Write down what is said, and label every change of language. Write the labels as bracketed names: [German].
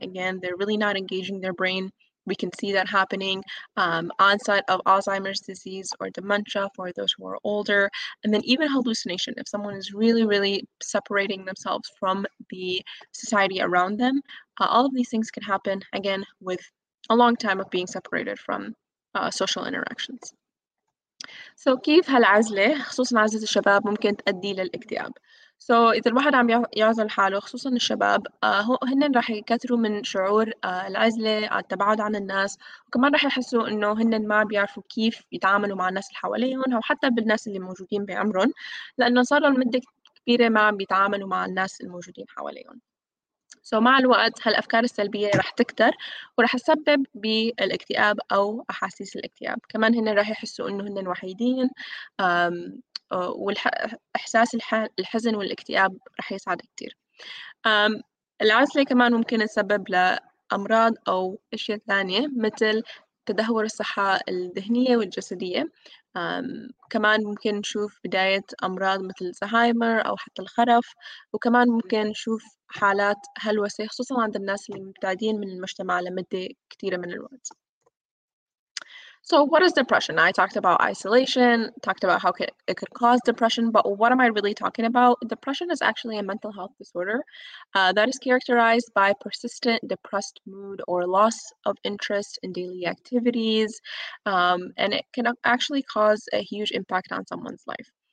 [English] Again, they're really not engaging their brain. We can see that happening, onset of Alzheimer's disease or dementia for those who are older, and then even hallucination. If someone is really, really separating themselves from the society around them, all of these things can happen, again, with a long time of being separated from social interactions. [Arabic] So كيف هالعزلة خصوصاً عزلة الشباب ممكن تؤدي للاكتئاب؟ So إذا الواحد عم يعزل حاله خصوصاً الشباب هن راح يكثروا من شعور العزلة التباعد عن الناس وكمان راح يحسوا إنه هن ما بيعرفوا كيف يتعاملوا مع الناس اللي حواليهم أو حتى بالناس اللي موجودين بعمرهم لأنه صار لهم مدة كبيرة ما بيتعاملوا مع الناس الموجودين حواليهم. So مع الوقت هالأفكار السلبية راح تكتر وراح تسبب بالاكتئاب أو أحاسيس الاكتئاب. كمان هن راح يحسوا إنه هن وحيدين والإحساس الحزن والاكتئاب راح يصعد كتير. العزلة كمان ممكن تسبب لأمراض أو أشياء ثانية مثل تدهور الصحة الذهنية والجسدية. كمان ممكن نشوف بداية أمراض مثل الزهايمر أو حتى الخرف وكمان ممكن نشوف حالات هلوسة خصوصاً عند الناس اللي مبتعدين من المجتمع لمدة كتيرة من الوقت. [English] So what is depression? I talked about isolation, talked about how it could cause depression, but what am I really talking about? Depression is actually a mental health disorder that is characterized by persistent depressed mood or loss of interest in daily activities, and it can actually cause a huge impact on someone's life.